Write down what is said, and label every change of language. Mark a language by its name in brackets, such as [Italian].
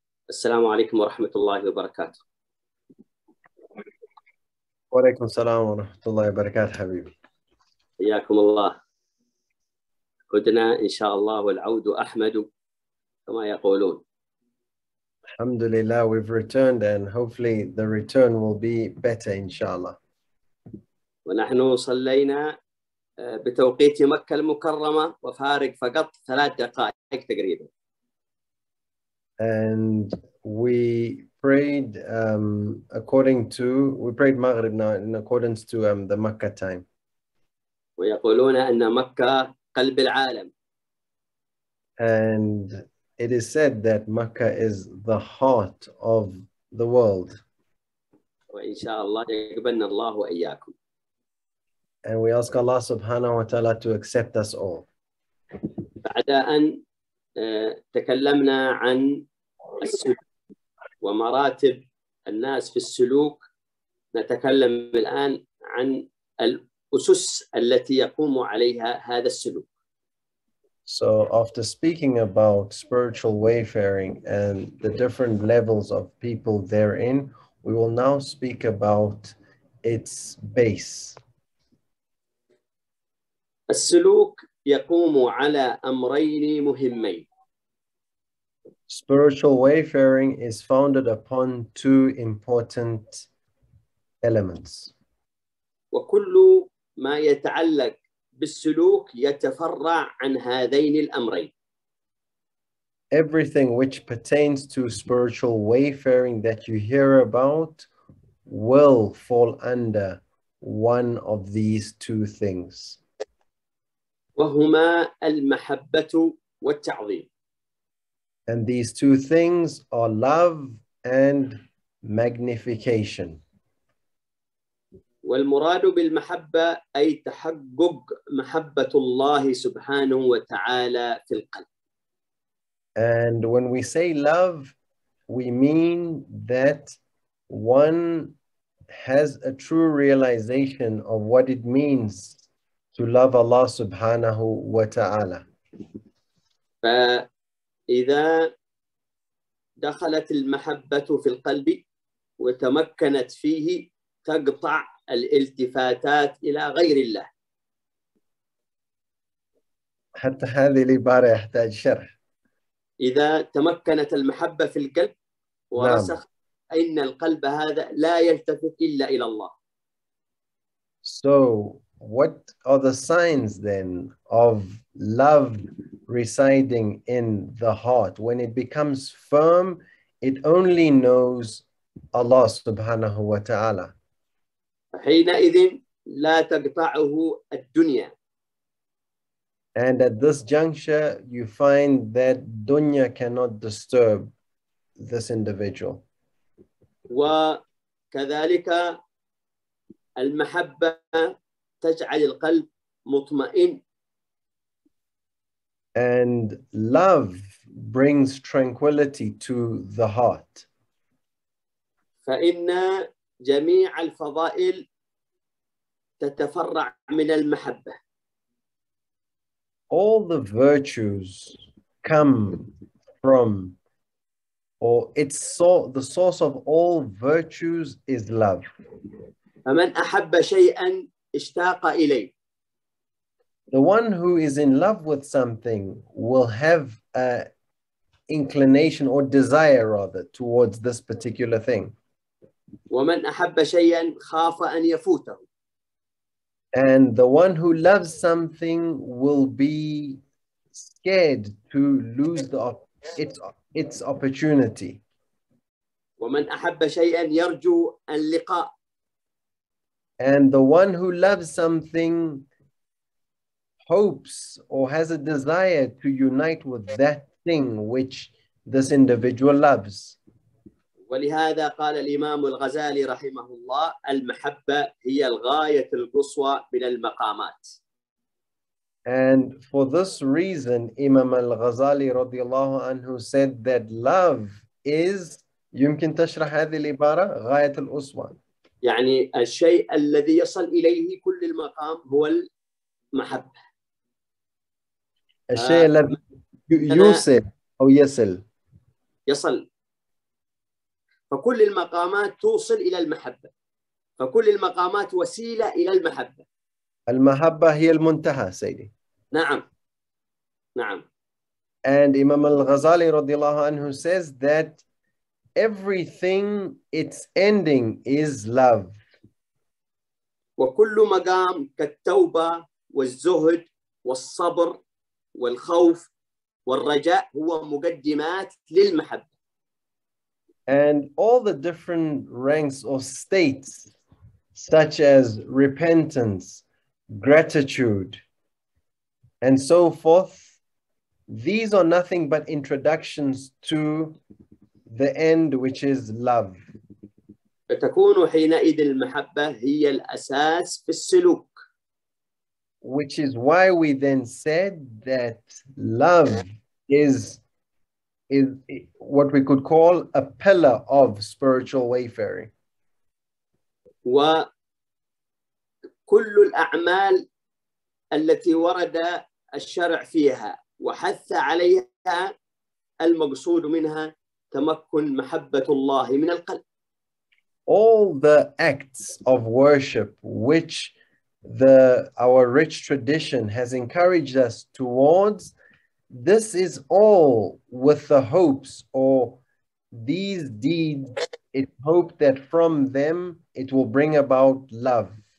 [Arabic] السلام عليكم ورحمة الله وبركاته. وعليكم السلام ورحمة الله وبركاته حبيبي. حياكم الله. هدنا إن شاء الله والعود أحمد كما يقولون. الحمد لله, [English] we've returned and hopefully the return will be better [Arabic] إن شاء الله. ونحن صلينا بتوقيت مكة المكرمة وفارق فقط 3 دقائق تقريبا. [English] And we prayed we prayed Maghrib now in accordance to the Mecca time. [Arabic] ويقولون أن مكة قلب العالم. [English] And it is said that Mecca is the heart of the world. [Arabic] وإن شاء الله يقبلنا الله وإياكم. [English] And we ask Allah subhanahu wa ta'ala to accept us all. [Arabic] بعد أن تكلمنا عن السلوك ومراتب الناس في السلوك, نتكلم الآن عن الأسس التي يقوم عليها هذا السلوك. [English] So after speaking about spiritual wayfaring and the different levels of people therein, we will now speak about its base. [Arabic] السلوك يقوم على أمرين مهمين. [English] Spiritual wayfaring is founded upon 2 important elements. [Arabic] وكل ما يتعلق بالسلوك يتفرع عن هذين الأمرين. [English] Everything which pertains to spiritual wayfaring that you hear about will fall under one of these 2 things. [Arabic] وهما المحبة والتعظيم. [English] And these 2 things are love and magnification. [Arabic] والمراد بالمحبة أي تحقق محبة الله سبحانه وتعالى في القلب. [English] And when we say love, we mean that one has a true realization of what it means to love Allah subhanahu wa ta'ala. [Arabic] فإذا دخلت المحبة في القلب وتمكنت فيه تقطع الالتفاتات إلى غير الله. حتى هذه العبارة يحتاج شرح. إذا تمكنت المحبة في القلب ورسخ أن القلب هذا لا يلتفت إلا إلى الله. [English] So what are the signs then of love residing in the heart? When it becomes firm, it only knows Allah subhanahu wa ta'ala. [Arabic] حينئذ لا تقطعه الدنيا. [English] And at this juncture, you find that dunya cannot disturb this individual. [Arabic] وكذلك المحبة تجعل القلب مطمئن. [English] And love brings tranquility to the heart. [Arabic] فإن جميع الفضائل تتفرع من المحبة. [English] All the virtues come from, or it's so, the source of all virtues is love. [Arabic] فمن أحب شيئاً اشتاق إليه. [English] The one who is in love with something will have a inclination or desire rather towards this particular thing. [Arabic] ومن أحب شيئاً خاف أن يفوته. [English] And the one who loves something will be scared to lose its opportunity. [Arabic] ومن أحب شيئاً يرجو اللقاء. [English] And the one who loves something hopes or has a desire to unite with that thing which this individual loves. [Arabic] ولهذا قال الإمام الغزالي رحمه الله المحبة هي الغاية القصوى من المقامات. [English] And for this reason, Imam al-Ghazali رضي الله عنه said that love is, [Arabic] يمكن تشرح هذه العبارة, غاية القصوى. يعني الشيء الذي يصل إليه كل المقام هو المحبة. الشيء الذي يوصل أو يصل. يصل. فكل المقامات توصل إلى المحبة فكل المقامات وسيلة إلى المحبة المحبة هي المنتهى سيدي نعم نعم [English] And Imam Al-Ghazali رضي الله عنه says that everything its ending is love [Arabic] وكل مقام كالتوبة والزهد والصبر والخوف والرجاء هو مقدمات للمحبة [English] And all the different ranks or states, such as repentance, gratitude, and so forth, these are nothing but introductions to the end, which is love. [Arabic] فتكون حينئذ المحبة هي الأساس في السلوك. [English] Which is why we then said that love is what we could call a pillar of spiritual wayfaring. [Arabic] وكل الأعمال التي ورد الشرع فيها وحث عليها المقصود منها تمكن محبة الله من القلب. [English] All the acts of worship which our rich tradition has encouraged us towards, this is all with the hopes or these deeds, it's hope that from them it will bring about love.